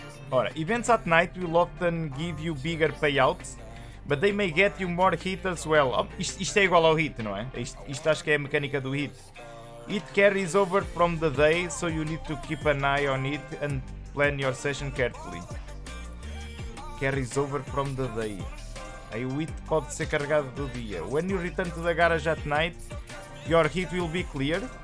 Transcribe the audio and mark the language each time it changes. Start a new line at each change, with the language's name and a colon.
English: Ora, events at night will often give you bigger payout, but they may get you more hit as well.
Portuguese: Oh, isto é igual ao hit, não é? Isto acho que é a mecânica do hit.
English: It carries over from the day, so you need to keep an eye on it and plan your session carefully. Carries over from the day.
Portuguese: Aí o hit pode ser carregado do dia.
English: When you return to the garage at night, your hit will be clear.